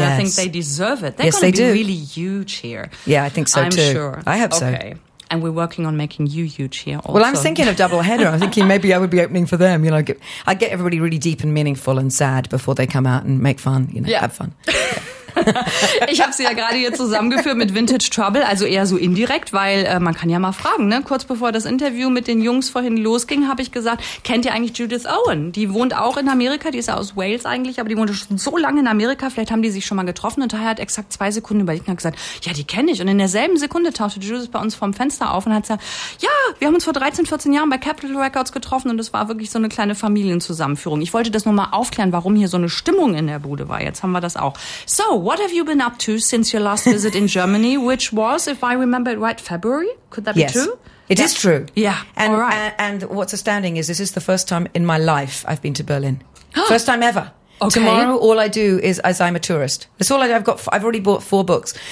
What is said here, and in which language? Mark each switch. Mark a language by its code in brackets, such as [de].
[en] And I think they deserve it. Yes, they do. They're going to be really huge here. Yeah, I think so too. I'm sure. I hope so. Okay. And we're working on making you huge here also. Well, I'm thinking of double header. I'm thinking maybe I would be opening for them. You know, I'd get everybody really deep and meaningful and sad before they come out and make fun, you know, have fun. Yeah. [de] Ich habe sie ja gerade hier zusammengeführt mit Vintage Trouble, also eher so indirekt, weil man kann ja mal fragen, ne? Kurz bevor das Interview mit den Jungs vorhin losging, habe ich gesagt, kennt ihr eigentlich Judith Owen? Die wohnt auch in Amerika, die ist ja aus Wales eigentlich, aber die wohnt schon so lange in Amerika, vielleicht haben die sich schon mal getroffen und daher hat exakt 2 Sekunden überlegt und hat gesagt, ja, die kenne ich. Und in derselben Sekunde tauchte Judith bei uns vorm Fenster auf und hat gesagt, ja, wir haben uns vor 13, 14 Jahren bei Capitol Records getroffen und es war wirklich so eine kleine Familienzusammenführung. Ich wollte das nur mal aufklären, warum hier so eine Stimmung in der Bude war. Jetzt haben wir das auch. [en] So, what have you been up to since your last visit in Germany, which was, if I remember it right, February? Could that be yes. true? It is true. Yeah. And, all right. And what's astounding is this is the first time in my life I've been to Berlin. First time ever. Okay. Tomorrow, all I do is as I'm a tourist. That's all I do. I've already bought 4 books.